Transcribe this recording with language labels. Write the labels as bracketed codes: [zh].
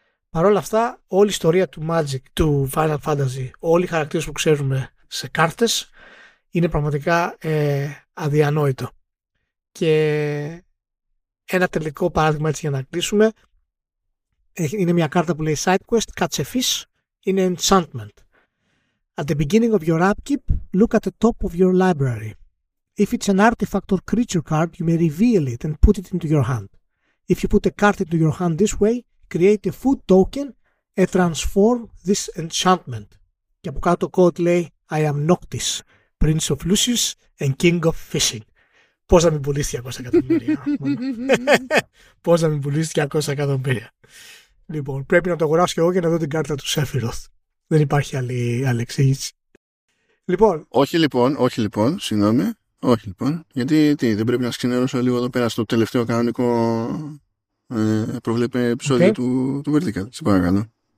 [el] Παρ' όλα αυτά, όλη η ιστορία του Magic, του Final Fantasy, όλοι οι χαρακτήρες που ξέρουμε σε κάρτες, είναι πραγματικά αδιανόητο. Και ένα τελικό παράδειγμα, έτσι, για να κλείσουμε, είναι μια κάρτα που λέει SideQuest, κάτσε φύς, είναι Enchantment. [en] At the beginning of your upkeep, look at the top of your library. If it's an artifact or creature card, you may reveal it and put it into your hand. If you put a card into your hand this way, create a food token and transform this enchantment. [el] Και από κάτω το quote λέει, [en] I am Noctis, Prince of Lucius and King of Fishing. [el] Πώς να μην πουλήσει 200 εκατομμύρια. Πώς να μην πουλήσει 200 εκατομμύρια. Λοιπόν, πρέπει να το αγοράσω και εγώ για να δω την κάρτα του Σέφιροθ. Δεν υπάρχει άλλη εξήγηση. Λοιπόν. Όχι λοιπόν, συγγνώμη. Όχι λοιπόν. Γιατί δεν πρέπει να ξενέρωσω λίγο εδώ πέρα στο τελευταίο κανονικό προβλέπε επεισόδιο του Vertical. Σε παρακαλώ.